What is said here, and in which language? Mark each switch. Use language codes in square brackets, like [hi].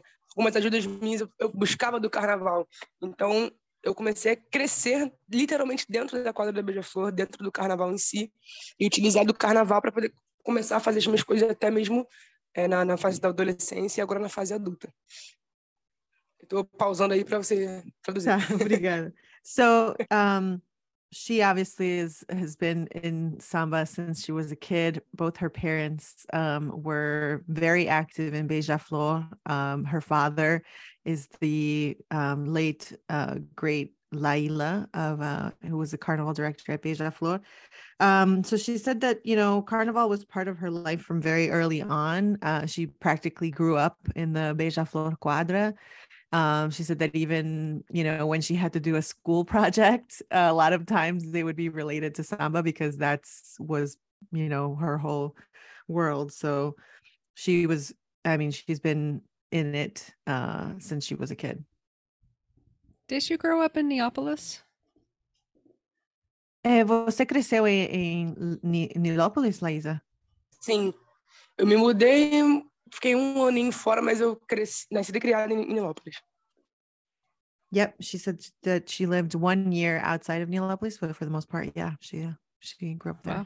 [pt] Algumas ajudas minhas eu buscava do carnaval. Então, eu comecei a crescer literalmente dentro da quadra da Beija-Flor, dentro do carnaval em si, e utilizar do carnaval para poder começar a fazer as minhas coisas até mesmo na fase da adolescência e agora na fase adulta. Estou pausando aí para você traduzir. Tá, obrigada. [en] So, she obviously has been in samba since she was a kid. Both her parents were very active in Beija-Flor. Her father is the late great Laíla who was a carnival director at Beija-Flor. So she said that, you know, carnival was part of her life from very early on. She practically grew up in the Beija-Flor quadra. She said that even, you know, when she had to do a school project, a lot of times they would be related to samba because was, you know, her whole world. So she's been in it since she was a kid. Did you grow up in Neapolis? [pt] Você cresceu em Neapolis, Laísa? Sim. Eu me mudei, fiquei aninho fora, mas eu nasci e criada em Neapolis. [en] Yep, she said that she lived 1 year outside of Neapolis, but for the most part, yeah, she grew up there.